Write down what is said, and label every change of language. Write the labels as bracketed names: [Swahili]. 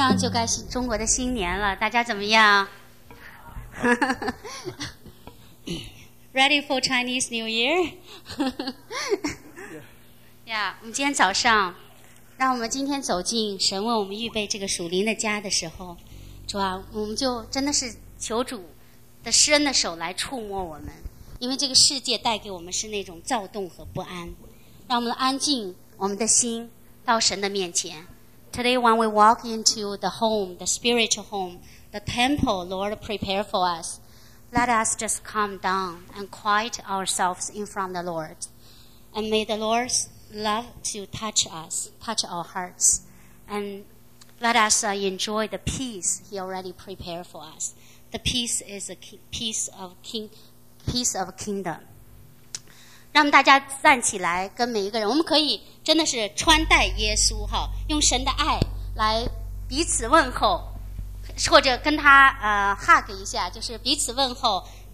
[Chinese] 上就该是中国的新年了，大家怎么样？ [English] Ready for Chinese New Year? [Chinese] Yeah, 我们今天早上，让我们今天走进神为我们预备这个属灵的家的时候，主啊，我们就真的是求主的施恩的手来触摸我们，因为这个世界带给我们是那种躁动和不安，让我们安静我们的心到神的面前。 [English] Today when we walk into the home, the spiritual home, the temple Lord prepare for us, let us just calm down and quiet ourselves in front of the Lord. And may the Lord's love to touch us, touch our hearts. And let us enjoy the peace He already prepared for us. The peace is a peace of kingdom. [Chinese] 让大家站起来跟每一个人，我们可以真的是穿戴耶稣哈，用神的爱来彼此问候，或者跟他hug 一下，就是彼此问候。